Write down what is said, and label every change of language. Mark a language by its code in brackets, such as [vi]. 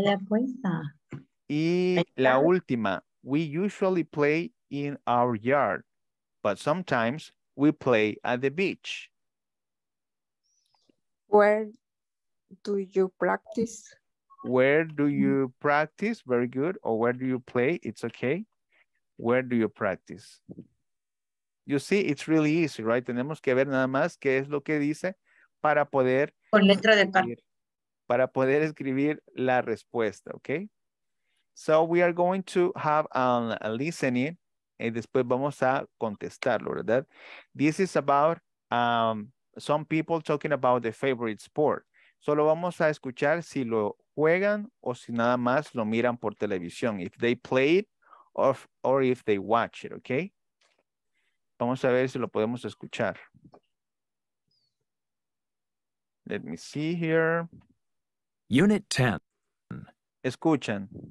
[es] le apuesta. [en] Y la última, we usually play in our yard, but sometimes we play at the beach. Where do you practice? Very good. Or where do you play? It's okay. Where do you practice? You see, it's really easy, right? [es] Tenemos que ver nada más qué es lo que dice para poder... Por letra de par. Para poder escribir la respuesta, okay? [en] So we are going to have a listening [es] y después vamos a contestarlo, ¿verdad? [en] This is about some people talking about their favorite sport. [es] Solo vamos a escuchar si lo juegan o si nada más lo miran por televisión. [en] If they play it or if they watch it, okay? [es] Vamos a ver si lo podemos escuchar. [en] Let me see here. Unit 10. [es] Escuchan.